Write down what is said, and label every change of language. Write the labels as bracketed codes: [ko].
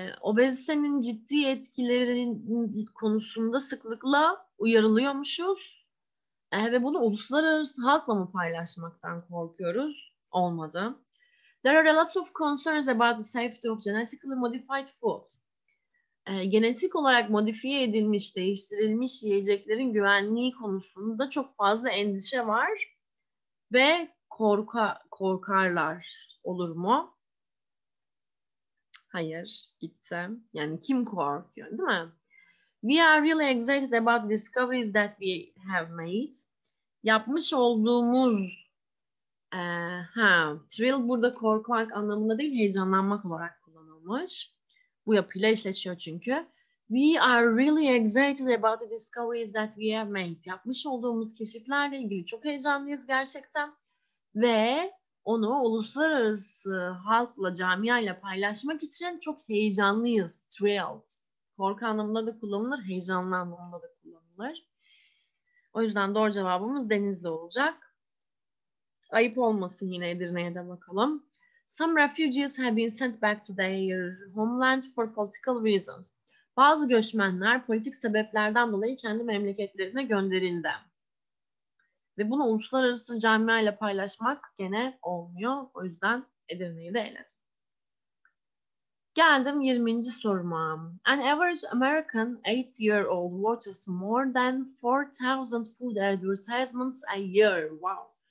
[tr] Obezitenin ciddi etkilerinin konusunda sıklıkla uyarılıyormuşuz. Ve bunu uluslararası halkla mı paylaşmaktan korkuyoruz? Olmadı. [en] There are a lot of concerns about the safety of genetically modified food. [tr] Genetik olarak modifiye edilmiş, değiştirilmiş yiyeceklerin güvenliği konusunda çok fazla endişe var ve korkarlar olur mu? Hayır, gittim. Yani kim korkuyor, değil mi? [en] We are really excited about the discoveries that we have made. [tr] Yapmış olduğumuz thrill burada korkmak anlamında değil, heyecanlanmak olarak kullanılmış. Bu yapıyla eşleşiyor çünkü. [en] We are really excited about the discoveries that we have made. [tr] Yapmış olduğumuz keşiflerle ilgili çok heyecanlıyız gerçekten. Ve onu uluslararası halkla, camiayla paylaşmak için çok heyecanlıyız. Thrilled. Korku anlamında da kullanılır, heyecanlı anlamında da kullanılır. O yüzden doğru cevabımız Denizli olacak. Ayıp olmasın yine Edirne'ye de bakalım. [en] Some refugees have been sent back to their homeland for political reasons. [tr] Bazı göçmenler politik sebeplerden dolayı kendi memleketlerine gönderildi. Ve bunu uluslararası camia ile paylaşmak gene olmuyor. O yüzden Edirne'yi de eledim. Geldim 20. soruma. [en] An average American 8-year-old watches more than 4,000 food advertisements a year. Wow.